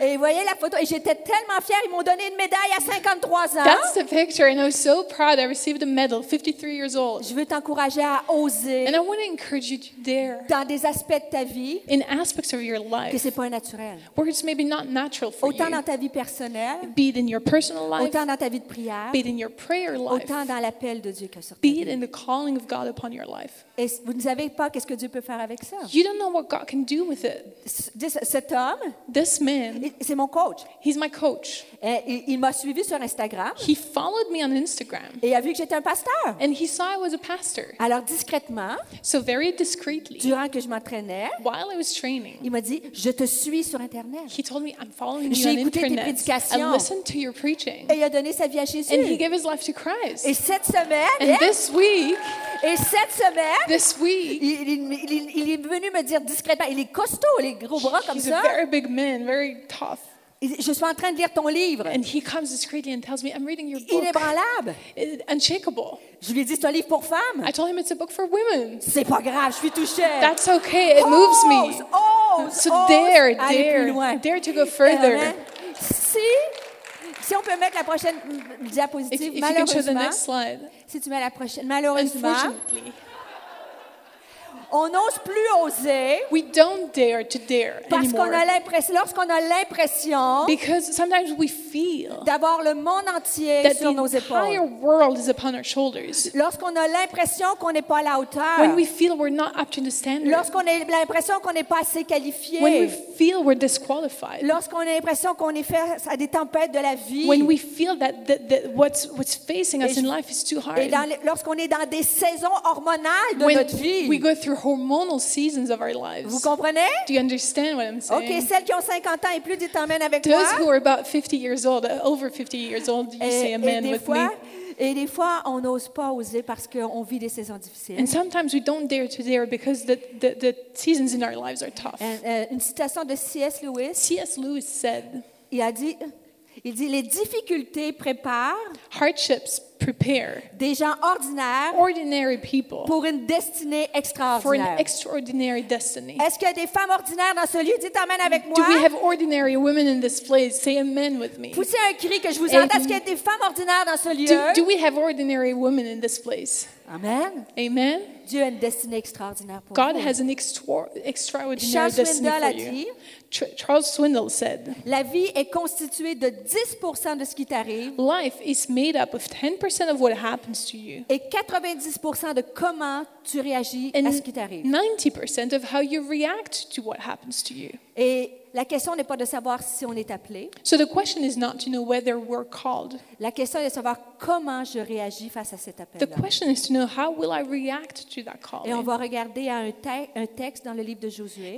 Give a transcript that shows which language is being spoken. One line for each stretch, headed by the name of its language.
French: Et vous voyez la photo et j'étais tellement fière, ils m'ont donné une médaille à 53 ans.
English: That's the picture and I was so proud I received a medal 53 years old.
French: Je veux t'encourager à oser.
English: And I want to encourage you to dare.
French: Dans des aspects de ta vie.
English: In aspects of your life.
French: Que c'est pas naturel.
English: Where it's maybe not natural for
French: autant Autant dans ta vie personnelle.
English: Be it in your personal life.
French: Autant dans ta vie de prière.
English: Be it in your prayer life.
French: Autant dans l'appel de Dieu qui est sur ta vie.
English: Be it in the calling of God upon your life.
French: Et vous ne savez pas qu'est-ce que Dieu peut faire avec ça.
English: You don't know what God can do with it.
French: Cet homme.
English: This man.
French: C'est mon coach.
English: He's my coach.
French: Et il m'a suivi sur Instagram.
English: He followed me on Instagram.
French: Et a vu que j'étais un pasteur.
English: And he saw I was a pastor.
French: Alors discrètement.
English: So very discreetly.
French: Durant que je m'entraînais.
English: While I was training.
French: Il m'a dit, je te suis sur Internet.
English: He told me I'm following you on Internet.
French: J'ai écouté tes prédications.
English: I listened to your preaching.
French: Et il a donné sa vie à Jésus.
English: And he gave his life to Christ.
French: Et cette semaine.
English: And this week.
French: Et cette semaine.
English: This week.
French: Il est venu me dire discrètement. Il est costaud, les gros bras comme ça.
English: He's a very big man, very tough.
French: Je suis en train de lire ton livre.
English: And he comes discreetly and tells me, I'm reading your book.
French: Inébranlable.
English: Unshakable.
French: Je lui ai dit, c'est un livre pour femmes.
English: I told him it's a book for women.
French: C'est pas grave, je suis touchée.
English: That's okay, it moves me. Dare to go further.
French: Si on peut mettre la prochaine diapositive, malheureusement.
English: If you can show the next slide.
French: Si tu mets la prochaine, malheureusement.
English: Unfortunately.
French: On n'ose plus oser.
English: We don't dare to dare
French: parce
English: anymore.
French: Qu'on a l'impression, lorsqu'on a l'impression,
English: because sometimes we feel
French: d'avoir le monde entier
English: that
French: sur nos épaules.
English: The entire world is upon our shoulders.
French: Lorsqu'on a l'impression qu'on n'est pas à la hauteur.
English: When we feel we're not up to the standard.
French: Lorsqu'on a l'impression qu'on n'est pas assez qualifié.
English: When we feel we're disqualified.
French: Lorsqu'on a l'impression qu'on est face à des tempêtes de la vie.
English: When we feel that what's facing us in life is too hard.
French: Et lorsqu'on est dans des saisons hormonales de
English: when
French: notre vie.
English: We go through hormonal seasons of our lives.
French: Vous comprenez?
English: Do you understand what I'm saying?
French: Okay, celles qui ont 50 ans et plus, dites amen avec
English: those
French: moi.
English: Those who are about 50 years old, over 50 years old, do you say amen
French: et des
English: with
French: fois,
English: me?
French: Et des fois, on n'ose pas oser parce qu'on vit des saisons difficiles.
English: And sometimes we don't dare to dare because the seasons in our lives are tough.
French: Une citation de C.S. Lewis.
English: C.S. Lewis said.
French: Il dit les difficultés préparent.
English: Hardships. Prepare
French: des gens ordinaires
English: ordinary people
French: pour une destinée extraordinaire.
English: For an extraordinary destiny.
French: Est-ce qu'il y a des femmes ordinaires dans ce lieu? Dites amen avec moi.
English: Do we have ordinary women in this place? Say amen with me.
French: Poussez un cri que je vous entends. Est-ce qu'il y a des femmes ordinaires dans ce lieu?
English: Do we have ordinary women in this place? Amen. Amen.
French: Dieu a une destinée extraordinaire pour
English: God
French: vous.
English: Has an extraordinary destiny for
French: a dit,
English: you. Charles Swindoll said,
French: la vie est constituée de 10% de ce qui t'arrive.
English: Life is made up of 10% of what happens to you.
French: Et 90% de comment tu réagis à ce qui t'arrive.
English: 90% of how you react to what happens to you.
French: Et La question n'est pas de savoir si on est appelé.
English: So the question is not to know whether we're called.
French: La question est de savoir comment je réagis face à cet appel.
English: The question is to know how will I react to that calling.
French: Et on va regarder un texte dans le livre de Josué.